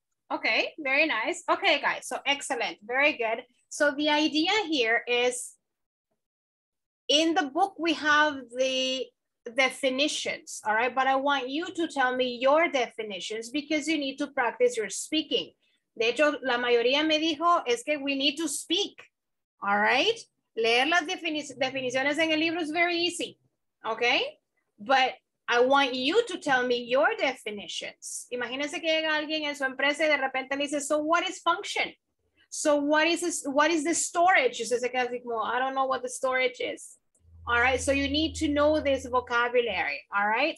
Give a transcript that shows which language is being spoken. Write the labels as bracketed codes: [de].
[en] Okay, very nice. Okay, guys, so excellent, very good. So the idea here is in the book we have definitions, all right? But I want you to tell me your definitions because you need to practice your speaking. [es] De hecho, la mayoría me dijo es que [en] we need to speak, all right? [es] Leer las definiciones en el libro [en] is very easy, okay? But I want you to tell me your definitions. [es] Imagínense que llega alguien en su empresa y de repente le dice, [en] so what is function? So what is the storage? [es] Usted se queda así como, [en] I don't know what the storage is. All right, so you need to know this vocabulary, all right?